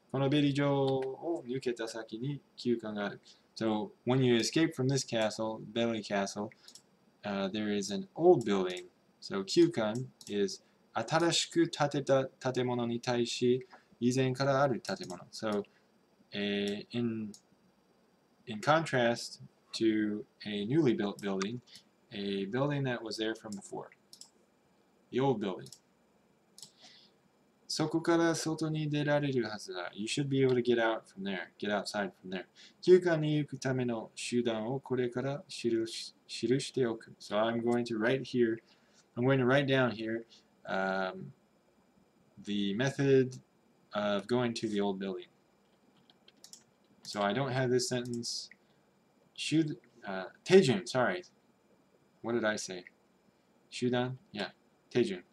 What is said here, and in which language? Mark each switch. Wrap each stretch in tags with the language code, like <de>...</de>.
<ja>このベリー城を抜けた先に旧館がある。</ja> <en>So, when you escape from this castle, Belly Castle, there is an old building.</en> <ja>So, 旧館 is 新しく建てた建物に対し以前からある建物。</ja> <en>So, in contrast to a newly built building, a building that was there from before. The old building.</en> <ja>そこから外に出られるはずだ。</ja> <en>You should be able to get out from there. Get outside from there.</en> <ja>旧館に行くための手段をこれから記しておく。</ja> <en>So I'm going to write here. I'm going to write down here, the method of going to the old building. So I don't have this sentence. Tejun, sorry. What did I say? 手段?Yeah, Tejun.</en>